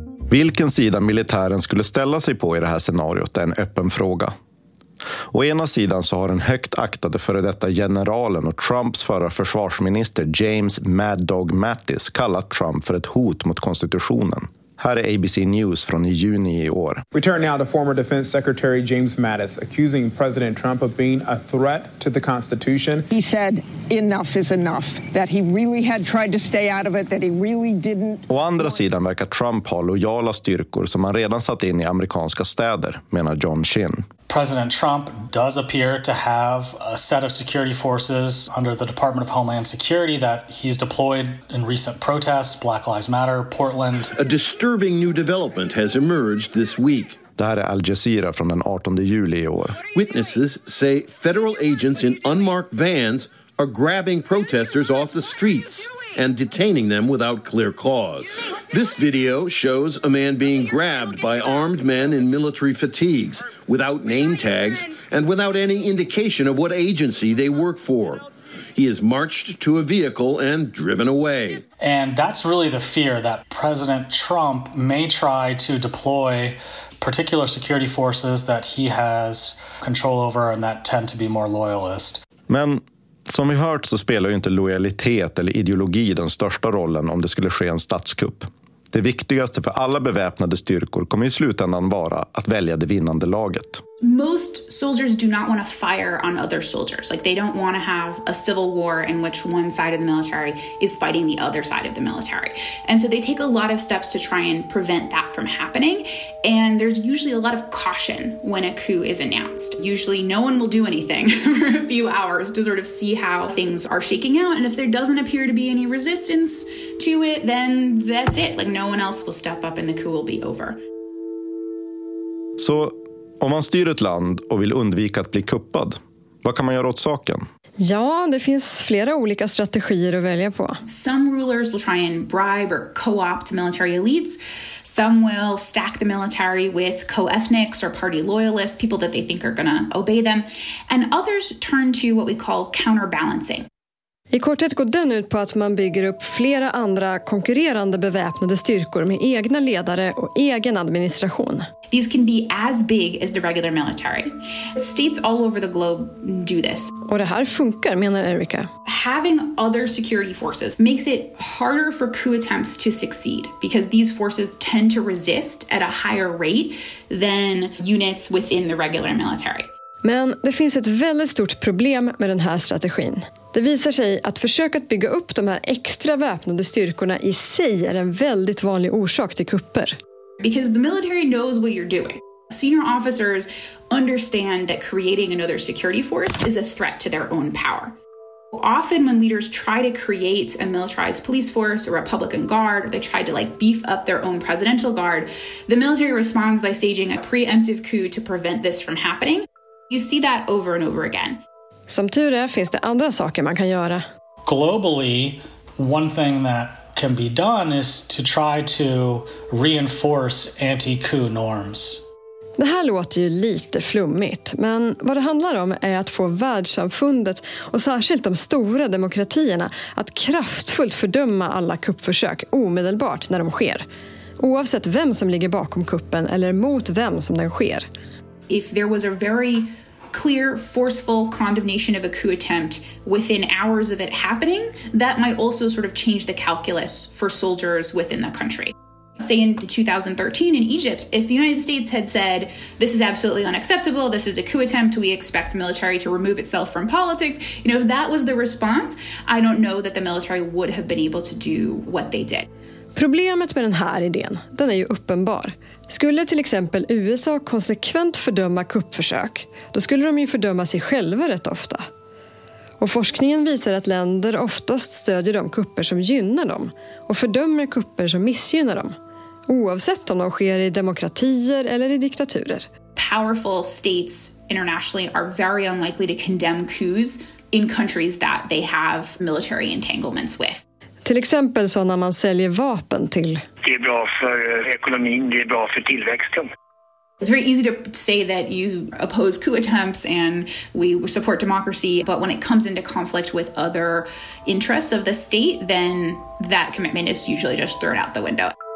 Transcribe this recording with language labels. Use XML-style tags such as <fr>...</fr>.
<sv>Vilken sida militären skulle ställa sig på i det här scenariot är en öppen fråga. Å ena sidan så har den högt aktade före detta generalen och Trumps förra försvarsminister James Mad Dog Mattis kallat Trump för ett hot mot konstitutionen. Här är ABC News från i juni i år.</sv> <en>We turn now to former defense secretary James Mattis accusing President Trump of being a threat to the Constitution. He said enough is enough, that he really had tried to stay out of it, that he really didn't.</en> <sv>Å andra sidan verkar Trump ha lojala styrkor som han redan satt in i amerikanska städer, menar John Shin.</sv> <en>President Trump does appear to have a set of security forces under the Department of Homeland Security that he's deployed in recent protests, Black Lives Matter, Portland. A disturbing new development has emerged this week.</en> <sv>Det här är Al Jazeera från den 18 juli i år.</sv> <en>Witnesses say federal agents in unmarked vans are grabbing protesters off the streets and detaining them without clear cause. This video shows a man being grabbed by armed men in military fatigues, without name tags, and without any indication of what agency they work for. He is marched to a vehicle and driven away. And that's really the fear, that President Trump may try to deploy particular security forces that he has control over and that tend to be more loyalist.</en> <sv>Men som vi hört så spelar ju inte lojalitet eller ideologi den största rollen om det skulle ske en statskupp. Det viktigaste för alla beväpnade styrkor kommer i slutändan vara att välja det vinnande laget.</sv> <en>Most soldiers do not want to fire on other soldiers. Like they don't want to have a civil war in which one side of the military is fighting the other side of the military. And so they take a lot of steps to try and prevent that from happening. And there's usually a lot of caution when a coup is announced. Usually no one will do anything for a few hours to sort of see how things are shaking out. And if there doesn't appear to be any resistance to it, then that's it. Like no one else will step up and the coup will be over.</en> <sv>So om man styr ett land och vill undvika att bli kuppad, vad kan man göra åt saken? Ja, det finns flera olika strategier att välja på.</sv> <en>Some rulers will try and bribe or co-opt military elites. Some will stack the military with co-ethnics or party loyalists, people that they think are going to obey them. And others turn to what we call counterbalancing.</en> <sv>I korthet går den ut på att man bygger upp flera andra konkurrerande beväpnade styrkor med egna ledare och egen administration.</sv> <en>These can be as big as the regular military. States all over the globe do this.</en> <sv>Och det här funkar, menar Erica.</sv> <en>Having other security forces makes it harder for coup attempts to succeed because these forces tend to resist at a higher rate than units within the regular military.</en> <sv>Men det finns ett väldigt stort problem med den här strategin. Det visar sig att försöka att bygga upp de här extra väpnade styrkorna i sig är en väldigt vanlig orsak till kupper.</sv> <en>Because the military knows what you're doing. Senior officers understand that creating another security force is a threat to their own power. Often when leaders try to create a militarized police force, a Republican guard, or they try to like beef up their own presidential guard, the military responds by staging a preemptive coup to prevent this from happening. You see that over and over again.</en> <sv>Som tur är finns det andra saker man kan göra.</sv> <en>Globally, one thing that can be done is to try to reinforce anti-coup norms.</en> <sv>Det här låter ju lite flummigt, men vad det handlar om är att få världssamfundet och särskilt de stora demokratierna att kraftfullt fördöma alla kuppförsök omedelbart när de sker, oavsett vem som ligger bakom kuppen eller mot vem som den sker.</sv> <en>If there was a very clear, forceful condemnation of a coup attempt within hours of it happening, that might also sort of change the calculus for soldiers within the country. Say in 2013 in Egypt, if the United States had said, this is absolutely unacceptable, this is a coup attempt, we expect the military to remove itself from politics, you know, if that was the response, I don't know that the military would have been able to do what they did.</en> <sv>Problemet med den här idén, den är ju uppenbar. Skulle till exempel USA konsekvent fördöma kuppförsök, då skulle de ju fördöma sig själva rätt ofta. Och forskningen visar att länder oftast stödjer de kupper som gynnar dem och fördömer kupper som missgynnar dem, oavsett om de sker i demokratier eller i diktaturer.</sv> <en>Powerful states internationally are very unlikely to condemn coups in countries that they have military entanglements with.</en> <sv>Till exempel så när man säljer vapen till. Det är bra för ekonomin, det är bra för tillväxten.</sv> <en>It's very easy to say that you oppose coup attempts and we support democracy, but when it comes into conflict with other interests of the state, then that commitment is usually just thrown out the window.</en>